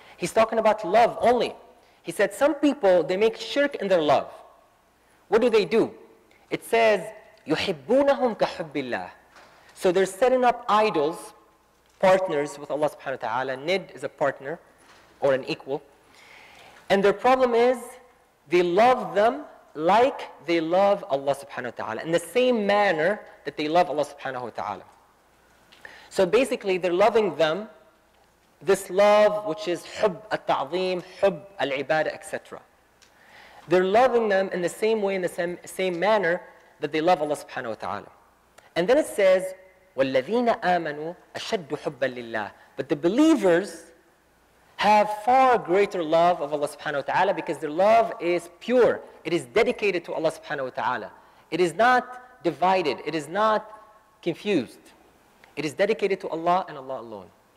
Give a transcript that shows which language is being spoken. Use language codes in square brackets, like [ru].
[en] He's talking about love only. He said some people, they make shirk in their love. What do they do? It says, [ar] يُحِبُّونَهُمْ كَحُبِّ اللَّهِ. [en] So they're setting up idols, partners with Allah subhanahu wa ta'ala. Nid is a partner or an equal. And their problem is they love them like they love Allah subhanahu wa ta'ala, in the same manner that they love Allah subhanahu wa ta'ala. So basically, they're loving them, this love which is hub al-ta'zim, hub al-ibadah, etc. They're loving them in the same way, in the same manner that they love Allah subhanahu wa ta'ala. And then it says, [ar] وَالَّذِينَ آمَنُوا أَشَدُّ حُبَّا لِلَّهِ. [en] But the believers have far greater love of Allah subhanahu wa ta'ala because their love is pure. It is dedicated to Allah subhanahu wa ta'ala. It is not divided. It is not confused. It is dedicated to Allah and Allah alone.